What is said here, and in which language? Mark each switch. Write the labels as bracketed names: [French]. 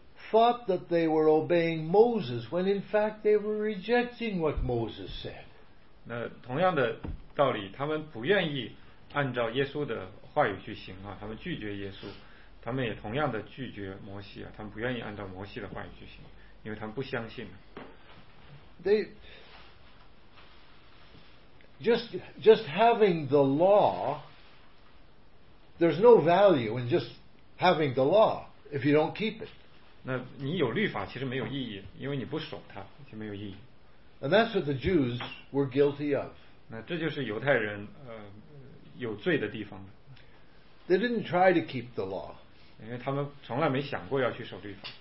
[English] Thought that they were obeying Moses when in fact they were rejecting what Moses said. [Chinese] 那同样的道理，他们不愿意按照耶稣的话语去行啊，他们拒绝耶稣，他们也同样的拒绝摩西啊，他们不愿意按照摩西的话语去行，因为他们不相信。 [English] They just having the law, there's no value in just having the law if you don't keep it. [Chinese] 那你有律法其实没有意义，因为你不守它就没有意义。 [English] And that's what the Jews were guilty of. [Chinese] 那这就是犹太人有罪的地方。 [English] They didn't try to keep the law. [Chinese] 因为他们从来没想过要去守律法。